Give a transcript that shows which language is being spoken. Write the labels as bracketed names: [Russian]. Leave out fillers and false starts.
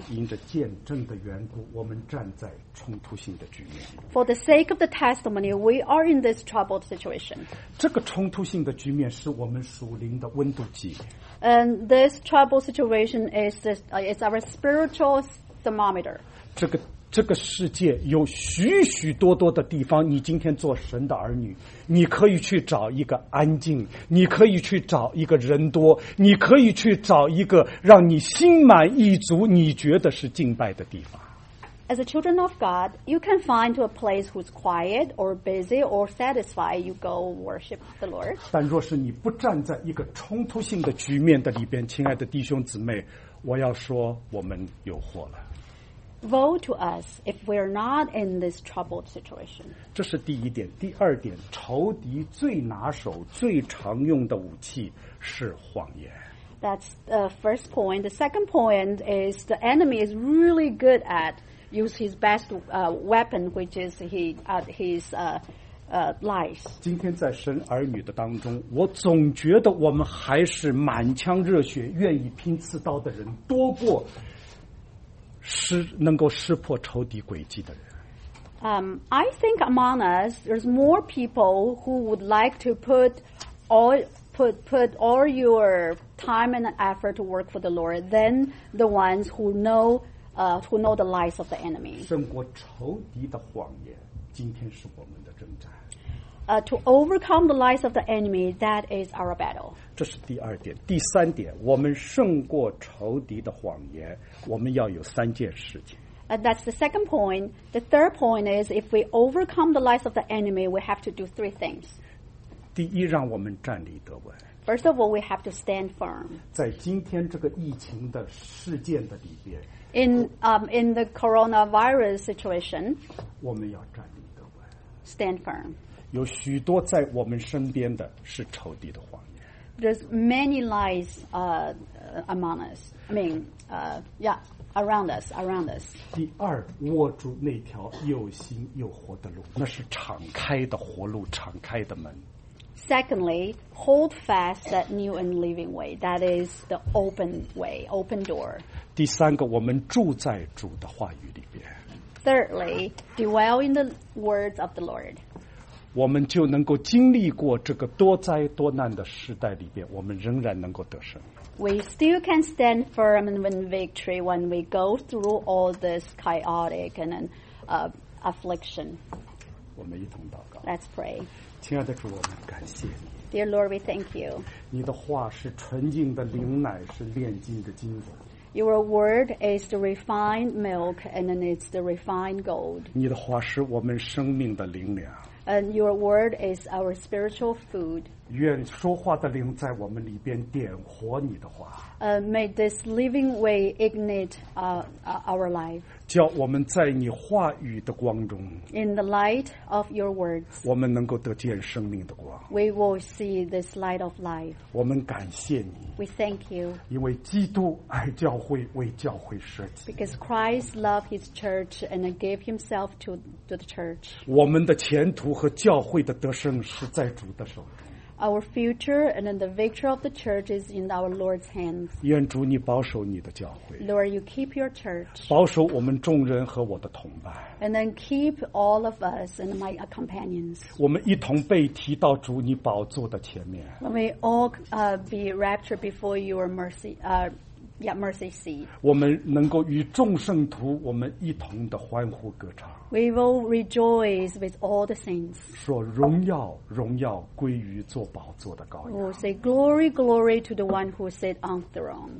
[Chinese] 因着见证的缘故，我们站在冲突性的局面。 [English] For the sake of the testimony, we are in this troubled situation. [Chinese] 这个冲突性的局面是我们属灵的温度计。 [English] And this troubled situation is our spiritual thermometer. [Chinese] 这个世界有许许多多的地方，你今天做神的儿女，你可以去找一个安静，你可以去找一个人多，你可以去找一个让你心满意足，你觉得是敬拜的地方。 [English] As a children of God, you can find a place who's quiet or busy or satisfied. You go worship the Lord. [Chinese] 但若是你不站在一个冲突性的局面的里边，亲爱的弟兄姊妹，我要说我们有祸了。 [English] Woe to us if we are not in this troubled situation. [Chinese] 这是第一点。第二点，仇敌最拿手、最常用的武器是谎言。 [English] That's the first point. The second point is the enemy is really good at. Use his best weapon, which is his lies. [Chinese] 今天在神儿女的当中，我总觉得我们还是满腔热血、愿意拼刺刀的人多过能够识破仇敌诡计的人。 [English] I think among us, there's more people who would like to put all your time and effort to work for the Lord than the ones who know the lies of the enemy. [Chinese] 胜过仇敌的谎言，今天是我们的征战。 [English] To overcome the lies of the enemy, that is our battle. [Chinese] 这是第二点。第三点，我们胜过仇敌的谎言，我们要有三件事情。 [English] That's the second point. The third point is, if we overcome the lies of the enemy, we have to do three things. [Chinese] 第一，让我们站立得稳。 [English] First of all, we have to stand firm. [Chinese] 在今天这个疫情的事件的里边。 [English] In the coronavirus situation, [Chinese] 我们要站立得稳。 [English] Stand firm. [Chinese] 有许多在我们身边的是仇敌的谎言。 [English] There's many lies around us. [Chinese] 第二，握住那条又新又活的路，那是敞开的活路，敞开的门。 [English] Secondly, hold fast that new and living way. That is the open way, open door. [Chinese] 第三个，我们住在主的话语里边。 [English] Thirdly, dwell in the words of the Lord. [Chinese] 我们就能够经历过这个多灾多难的时代里边，我们仍然能够得胜。 [English] We still can stand firm and win victory when we go through all this chaotic and affliction. [Chinese] 我们一同祷告。 [English] Let's pray. [Chinese] 亲爱的主，我们感谢你。 [English] Dear Lord, we thank you. [Chinese] 你的话是纯净的灵奶，是炼金的金子。 [English] Your word is the refined milk, and then it's the refined gold. [Chinese] 你的话是我们生命的灵粮。 [English] And your word is our spiritual food. [Chinese] 愿说话的灵在我们里边点活你的话。 [English] May this living way ignite our life. [Chinese] 叫我们在你话语的光中。 [English] In the light of your words. [Chinese] 我们能够得见生命的光。 [English] We will see this light of life. [Chinese] 我们感谢你。 [English] We thank you. [Chinese] 因为基督爱教会，为教会舍己。 [English] Because Christ loved his church and gave himself to the church. [Chinese] 我们的前途和教会的得胜是在主的手中。 [English] Our future and then the victory of the church is in our Lord's hands. [Chinese] 愿主你保守你的教会。 [English] Lord, you keep your church. [Chinese] 保守我们众人和我的同伴。 [English] And then keep all of us and my companions. [Chinese] 我们一同被提到主你宝座的前面。 [English] May we all be raptured before your mercy, Yeah, mercy seat. [Chinese] 我们能够与众圣徒我们一同的欢呼歌唱。 [English] We will rejoice with all the saints. [Chinese] 说荣耀荣耀归于坐宝座的羔羊。 [English] We'll say glory, glory to the one who sit on the throne.